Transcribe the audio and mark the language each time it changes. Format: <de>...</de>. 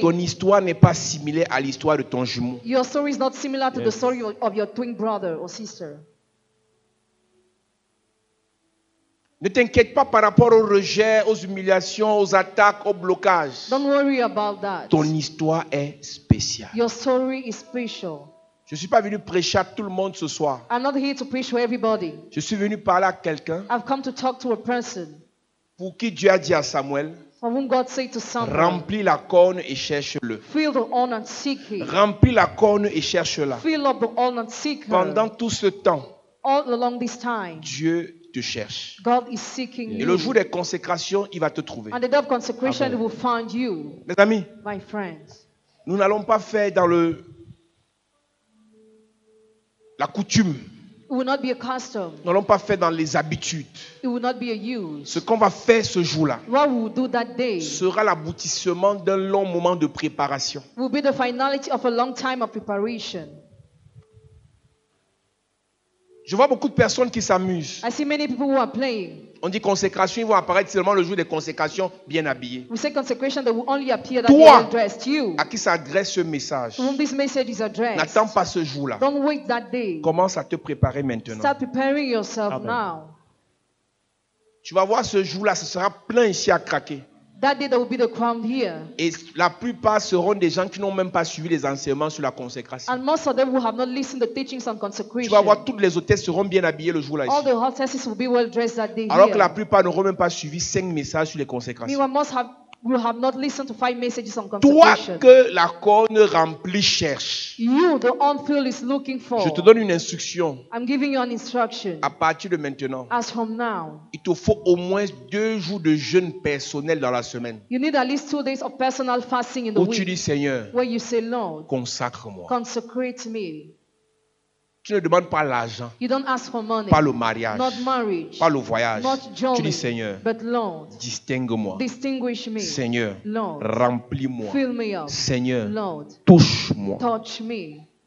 <fr>ton histoire n'est pas similaire à l'histoire de ton jumeau.</fr> <en>Your story is not similar to yes. the story of your twin brother or sister.</en> <fr>Ne t'inquiète pas par rapport au rejet, aux humiliations, aux attaques, aux blocages.</fr> <en>Don't worry about that.</en> <fr>Ton histoire est spéciale.</fr> <en>Your story is special.</en> <fr>Je ne suis pas venu prêcher à tout le monde ce soir.</fr> <en>I'm not here to preach to everybody.</en> <fr>Je suis venu parler à quelqu'un.</fr> <en>I've come to talk to a person.</en> <fr>Pour qui Dieu a dit à Samuel,</fr> <en>for whom God said to Samuel,</en> <fr>remplis la corne et cherche-le.</fr> <en>Fill the horn and seek him.</en> <fr>Remplis la corne et cherche-la.</fr> <en>Fill up the horn and seek her.</en> <fr>Pendant tout ce temps,</fr> <en>all along this time,</en> <fr>Dieu te cherche.</fr> <en>God is seeking</en> <fr>et</fr> <en>you.</en> <fr>Le jour des consécrations, il va te trouver.</fr> <en>And the day of consecration, he will find you.</en> <fr>Mes amis,</fr> <en>my friends,</en> <fr>nous n'allons pas faire dans le la coutume.</fr> <en>It will not be a custom.</en> <fr>Nous n'allons pas faire dans les habitudes.</fr> <en>It will not be a use.</en> <fr>Ce qu'on va faire ce jour-là,</fr> <en>what we will do that day,</en> <fr>sera l'aboutissement d'un long moment de préparation.</fr> <en>Will be the finality of a long time of preparation.</en> <fr>Je vois beaucoup de personnes qui s'amusent.</fr> <en>I see many people who are playing.</en> <fr>On dit consécration, ils vont apparaître seulement le jour des consécrations, bien habillés.</fr> <en>We say consecration, they will only appear that they are dressed. You,</en> <fr>à qui s'adresse ce message,</fr> <en>whom this message is addressed,</en> <fr>n'attends pas ce jour-là.</fr> <en>Don't wait that day.</en> <fr>Commence à te préparer maintenant.</fr> <en>Start preparing yourself now.</en> <fr>Tu vas voir ce jour-là, ce sera plein ici à craquer.</fr> <en>That day, there will be the crowd here.</en> <fr>Et la plupart seront des gens qui n'ont même pas suivi les enseignements sur la consécration.</fr> <en>And most of them will have not listened to the teachings on consecration.</en> <fr>Tu vas voir toutes les hôtesses seront bien habillées le jour là.</fr> <en>All the hostesses will be well dressed that day.</en> <fr>Alors</fr> <en>here.</en> <fr>Que la plupart n'auront même pas suivi 5 messages sur les consécrations.</fr> <en>Meanwhile, most will have not listened to 5 messages on consecration.</en> <fr>Toi que la corne remplie cherche.</fr> <en>You, the unfilled is looking for.</en> <fr>Je te donne une instruction.</fr> <en>I'm giving you an instruction.</en> <fr>À partir de maintenant.</fr> <en>As from now.</en> <fr>Il te faut au moins 2 jours de jeûne personnel dans la semaine.</fr> <en>You need at least 2 days of personal fasting in the</en> <fr>où</fr> <en>week.</en> <fr>Où tu dis Seigneur.</fr> <en>Where you say Lord.</en> <fr>Consacre-moi.</fr> <en>Consecrate me.</en> <fr>Tu ne demandes pas l'argent.</fr> <en>You don't ask for money.</en> <fr>Pas le mariage.</fr> <en>Not marriage.</en> <fr>Pas le voyage.</fr> <en>Not journey.</en> <fr>Tu dis Seigneur.</fr> <en>But Lord.</en> <fr>Distingue-moi.</fr> <en>Distinguish me.</en> <fr>Seigneur.</fr> <en>Lord.</en> <fr>Remplis-moi.</fr> <en>Fill me up.</en> <fr>Seigneur.</fr> <en>Lord.</en> <fr>Touche-moi.</fr> <en>Touch me.</en>